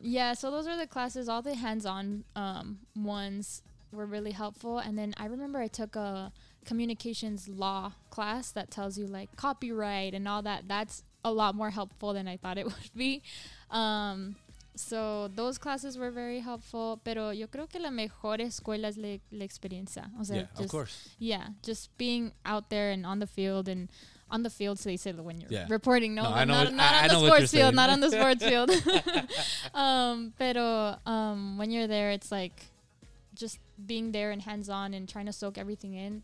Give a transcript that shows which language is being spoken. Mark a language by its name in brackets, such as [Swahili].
[English] Yeah. So those are the classes, all the hands-on, ones were really helpful. And then I remember I took a communications law class that tells you like copyright and all that. That's a lot more helpful than I thought it would be. So those classes were very helpful. [Spanish] Pero yo creo que la mejor escuela es la experiencia. O sea, [English] yeah, just, of course. Yeah, just being out there and on the field. And on the field, so they say when you're reporting. No, I know. Not on the sports field. Not on the sports field. [Spanish] Pero [English] when you're there, it's like just being there and hands-on and trying to soak everything in.